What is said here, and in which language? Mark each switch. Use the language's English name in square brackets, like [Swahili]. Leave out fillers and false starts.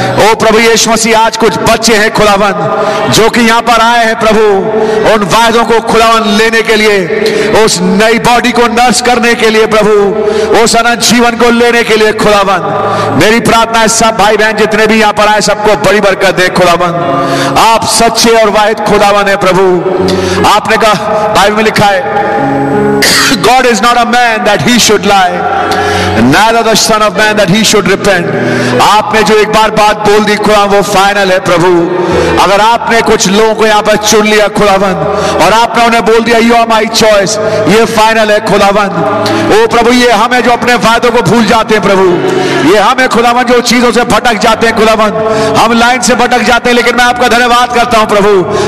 [Hindi] ओ प्रभु यीशु मसीह आज कुछ बच्चे हैं खुदावन जो कि यहाँ पर आए हैं प्रभु, उन वायदों को खुदावन लेने के लिए, उस नई बॉडी को नर्स करने के लिए प्रभु, उस अनंत जीवन को लेने के लिए खुदावन। मेरी प्रार्थना है सब भाई बहन जितने भी यहाँ पर आए सबको बड़ी बरकत दे खुदावन। आप सच्चे और वाहिद खुदावन है प्रभु। आपने कहा बाइबल में लिखा है [English] God is not a man that he should lie, neither the son of man that he should repent. [Hindi] आपने जो एक बार बात बोल दी खुदावन वो फाइनल है प्रभु। अगर आपने कुछ लोगों को यहाँ पर चुन लिया खुदावन और आपने उन्हें बोल दिया [English] you are my choice, [Hindi] ये फाइनल है खुदावन। ओ प्रभु ये हमें जो अपने वादों को भूल जाते हैं प्रभु, ये हमें खुदावन जो चीजों से भटक जाते हैं खुदावन, हम लाइन से भटक जाते हैं, लेकिन मैं आपका धन्यवाद करता हूँ प्रभु।